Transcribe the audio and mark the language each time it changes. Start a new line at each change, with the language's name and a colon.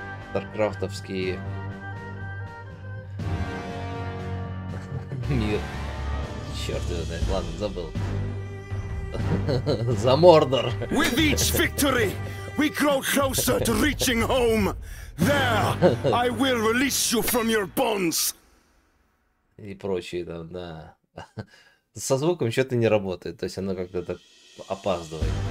Russian: Старкрафтовский... мир. Черт его знает. Ладно, забыл. За Мордор.
English: With each victory! We grow closer to reaching home. There, I will release you from your bonds.
Russian: И прочее там, да. Со звуком что-то не работает, то есть оно как-то так опаздывает.